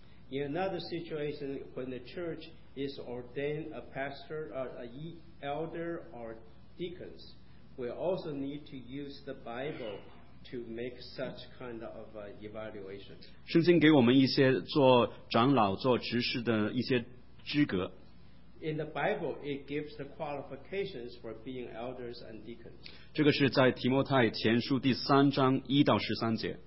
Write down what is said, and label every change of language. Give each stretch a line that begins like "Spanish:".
English: In another situation, when the church is ordained a pastor or an elder or deacons, we also need to use the Bible to make such kind of evaluation.
Chinese: 圣经给我们一些做长老、做执事的一些资格。
English: In the Bible, it gives the qualifications for being elders and deacons.
Chinese: 这个是在提摩太前书第三章一到十三节。